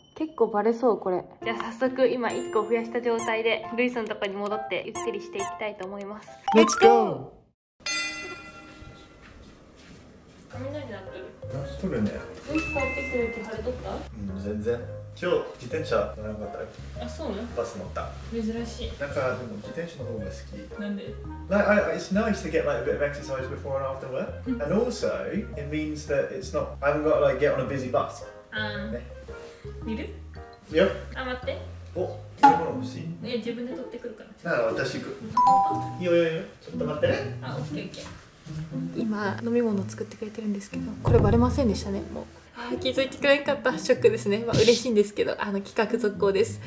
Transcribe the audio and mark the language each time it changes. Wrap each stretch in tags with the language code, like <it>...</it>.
<ja>結構バレそうこれ。じゃあ早速今1個増やした状態でルイスのとこに戻ってゆっくりしていきたいと思います。レッツゴー。雷鳴ってる。何するね。ルイス帰ってくる時晴れとった。うん、全然。今日自転車乗らなかった。あ、そうね。バス乗った。珍しい。なんかでも自転車の方が好き。なんで。</ja> <en>Like, I, it's nice to get like a bit of exercise before and after work. And also, it means that it's not, I haven't got to like get on a busy bus.</en> <ja>あー、ね、見る？いや。あ、待って。お、食べ物欲しい？いや、自分で取ってくるから。なら私行く。いやいやいや、ちょっと待ってね。あ、オッケーオッケー。今、飲み物作ってくれてるんですけど、これバレませんでしたね、もう。あ、気づいてくれなかった。ショックですね。まあ、嬉しいんですけど、あの企画続行です。</ja>